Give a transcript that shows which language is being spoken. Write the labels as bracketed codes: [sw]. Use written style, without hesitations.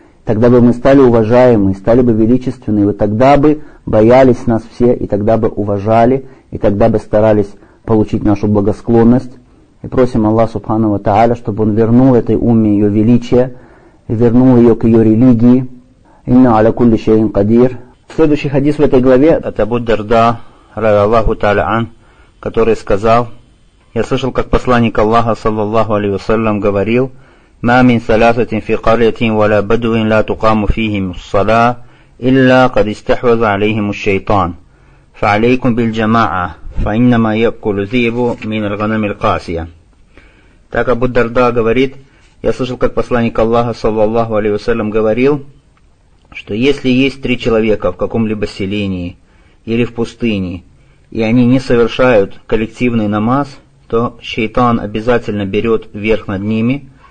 [ru] Тогда бы мы стали уважаемы, стали бы величественны, и вот тогда бы боялись нас все, и тогда бы уважали, и тогда бы старались получить нашу благосклонность. И просим Аллах [ar] Субхану ва Тааля, [ru] чтобы Он вернул этой умме ее величие, и вернул ее к ее религии. [ar] Инна аля кулли шейин кадир. [ru] Следующий хадис в этой главе от Абу Дарда, радиаллаху тааля ан, который сказал: «Я слышал, как посланник Аллаха, саллаллаху алейхи вассалям, говорил: [ar] ما من ثلاثة في قرية ولا بدو لا تقام فيهم الصلاة إلا قد استحوذ عليهم الشيطان فعليكم بالجماعة فإنما يأكل الذئب من الغنم القاسية». [ru] Так Абу Дарда говорит: «Я слышал, как посланник Аллаха, саллаллаху алейхи вассалям, говорил, что если есть три человека в каком-либо селении или в пустыне, и они не совершают коллективный намаз, то шейтан обязательно берет верх над ними.